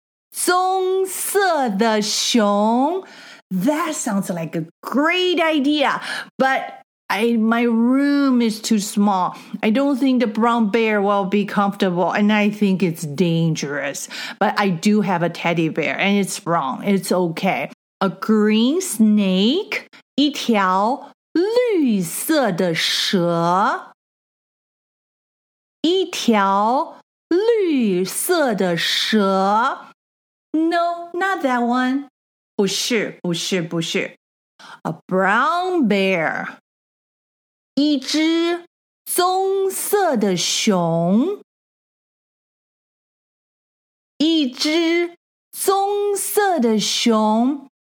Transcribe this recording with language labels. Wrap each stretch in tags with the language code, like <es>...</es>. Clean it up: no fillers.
<zh>棕色的熊</zh> <en>That sounds like a great idea But my room is too small I don't think the brown bear will be comfortable And I think it's dangerous But I do have a teddy bear And it's brown, it's okay A green snake</en> <zh>一条绿色的蛇一条绿色的蛇</zh> <en>No, not that one.</en> <zh>不是不是不是</zh> <en>A brown bear.</en> <zh>一只棕色的熊一只棕色的熊</zh>